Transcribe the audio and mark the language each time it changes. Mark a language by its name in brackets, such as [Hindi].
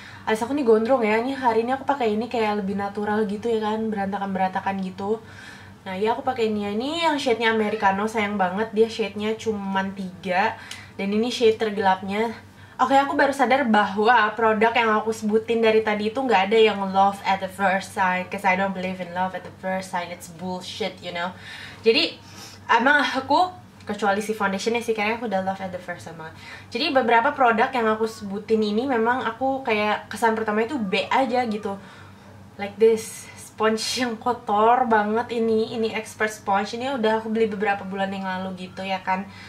[Indonesian] Alis aku nih gondrong ya, ini hari ini aku pakai ini kayak lebih natural gitu ya kan, berantakan-berantakan gitu. Nah iya aku pakai ini ya, ini yang shade-nya Americano, sayang banget dia shade-nya cuman 3. Dan ini shade tergelapnya. Oke, aku baru sadar bahwa produk yang aku sebutin dari tadi itu gak ada yang [English] love at the first sight. Cause I don't believe in love at the first sight, it's bullshit, you know. [Indonesian] Jadi, emang aku, kecuali si foundationnya sih, kayaknya aku udah [English] love at the first [Indonesian] sama. Jadi beberapa produk yang aku sebutin ini memang aku kayak kesan pertama itu B aja gitu. Like this, sponge yang kotor banget ini expert sponge. Ini udah aku beli beberapa bulan yang lalu gitu ya kan.